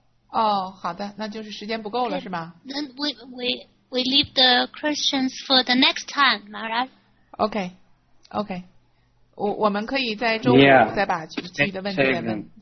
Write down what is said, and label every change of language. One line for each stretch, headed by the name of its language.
Chinese: 哦，好的，那就是时间不够了，是吗？
English: Then we leave the questions for the next time, Mara. Okay, okay.
Chinese: 我们可以在周五再把具体的问题再问。